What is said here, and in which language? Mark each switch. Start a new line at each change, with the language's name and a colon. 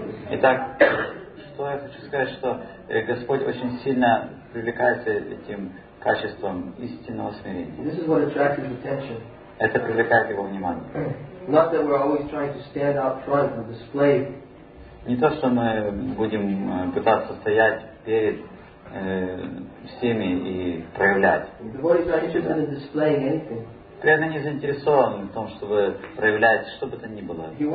Russian: Итак, что я хочу сказать, что Господь очень сильно привлекается этим качеством истинного смирения.
English: This is what attracts his attention.
Russian: Это привлекает его внимание.
English: Not that we're always trying to stand out front and display.
Russian: Не то, что мы будем пытаться стоять перед всеми и проявлять. Преданный не заинтересован в том, чтобы проявлять что бы то ни было.